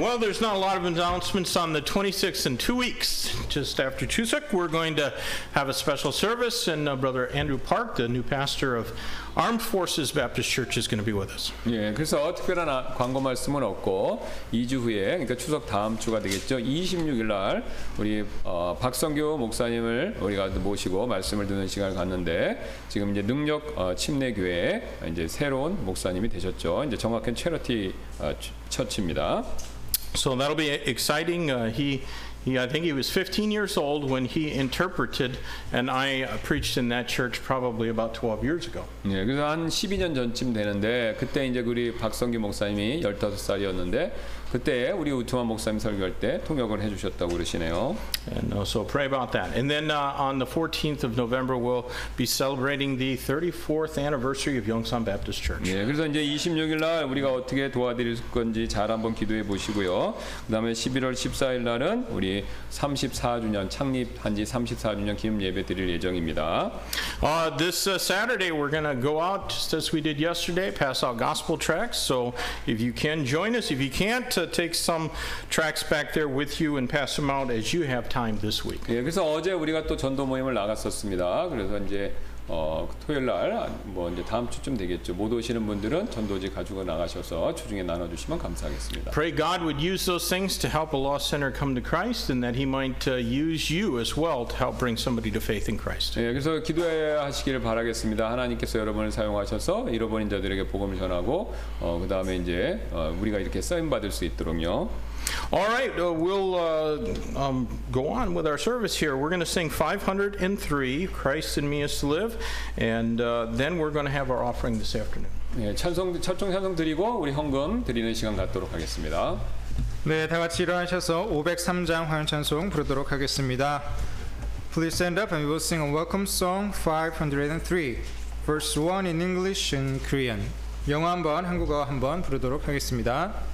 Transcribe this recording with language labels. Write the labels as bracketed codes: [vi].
[en] Well, there's not a lot of announcements on the 26th in 2 weeks. Just after Chuseok, we're going to have a special service, and Brother Andrew Park, the new pastor of Armed Forces Baptist Church, is going to be with us. [ko] 예, 그래서 특별한 광고 말씀은 없고 2주 후에, 그러니까 추석 다음 주가 되겠죠. 26일 날 우리 박성규 목사님을 우리가 모시고 말씀을 듣는 시간을 갖는데 지금 이제 능력 침례 교회 이제 새로운 목사님이 되셨죠. 이제 정확한 체러티 처치입니다. [en] So that'll be exciting. I think he was 15 years old when he interpreted, and I preached in that church probably about 12 years ago. [ko] 예, 그래서 한 12년 전쯤 되는데 그때 이제 우리 박성규 목사님이 15살이었는데 그때 우리 우투만 목사님 설교할 때 통역을 해주셨다고 그러시네요. [en] And so pray about that. And then on the 14th of November, we'll be celebrating the 34th anniversary of Yongsan Baptist Church. [ko] 예, 그래서 이제 26일 날 우리가 어떻게 도와드릴 건지 잘 한번 기도해 보시고요. 그다음에 11월 14일 날은 우리 34주년 창립한 지 34주년 기념 예배 드릴 예정입니다. [en] This Saturday we're going to go out just as we did yesterday, pass out gospel tracts. So if you can join us, if you can't, take some tracts back there with you and pass them out as you have time this week. [ko] 예, 그래서 어제 우리가 또 전도 모임을 나갔었습니다. 그래서 이제 토요일 날 뭐 이제 다음 주쯤 되겠죠. 못 오시는 분들은 전도지 가지고 나가셔서 주중에 나눠 주시면 감사하겠습니다. [en] Pray God would use those things to help a lost sinner come to Christ and that he might use you as well to help bring somebody to faith in Christ. [ko] 예, 그래서 기도하시기를 바라겠습니다. 하나님께서 여러분을 사용하셔서 잃어버린 자들에게 복음을 전하고 그다음에 이제 우리가 이렇게 쓰임 받을 수 있도록요. [en] All right, we'll go on with our service here. We're going to sing 503, Christ in Me is to Live, and then we're going to have our offering this afternoon. [ko] 네, 찬송 첫종 찬송 드리고 우리 헌금 드리는 시간 갖도록 하겠습니다. 네, 다 같이 일어나셔서 503장 환영 찬송 부르도록 하겠습니다. [en] Please stand up and we will sing a welcome song 503, verse 1 in English and Korean. [ko] 영어 한번, 한국어 한번 부르도록 하겠습니다.